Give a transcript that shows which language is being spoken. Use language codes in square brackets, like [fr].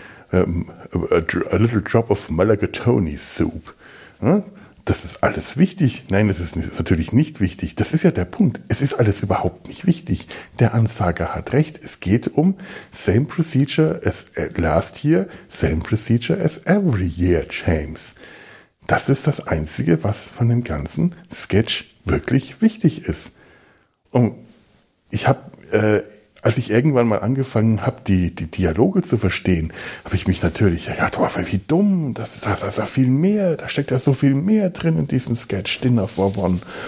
[en] A little drop of Mulligatawny soup. [de] Hm? Das ist alles wichtig. Nein, das ist natürlich nicht wichtig. Das ist ja der Punkt. Es ist alles überhaupt nicht wichtig. Der Ansager hat recht. Es geht um [en] same procedure as last year, same procedure as every year, James. [de] Das ist das Einzige, was von dem ganzen Sketch wirklich wichtig ist. Und ich habe, als ich irgendwann mal angefangen habe, die Dialoge zu verstehen, habe ich mich natürlich gedacht, oh, wie dumm, das ist ja viel mehr, da steckt ja so viel mehr drin in diesem Sketch, Dinner for One.